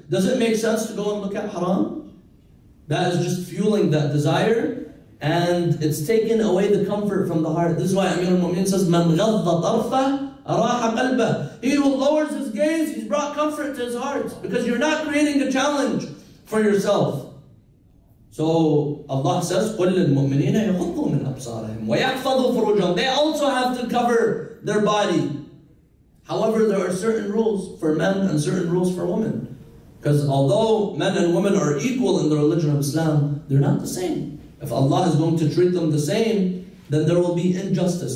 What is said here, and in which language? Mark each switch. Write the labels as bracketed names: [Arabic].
[English] Does it make sense to go and look at haram? That is just fueling that desire and it's taking away the comfort from the heart. This is why Amir al-Mu'min says, [Arabic] مَنْ غَضَّ طَرْفَهُ أَرَاحَ قَلْبَهُ. [English] He who lowers his gaze, he's brought comfort to his heart, because you're not creating a challenge for yourself. So Allah says, [Arabic] قُلْ لِلْمُؤْمِنِينَ يَغُضُّوا مِنْ أَبْصَارِهِمْ وَيَحْفَظُوا فُرُوجَهُمْ. [English] They also have to cover their body. However, there are certain rules for men and certain rules for women. Because although men and women are equal in the religion of Islam, they're not the same. If Allah is going to treat them the same, then there will be injustice.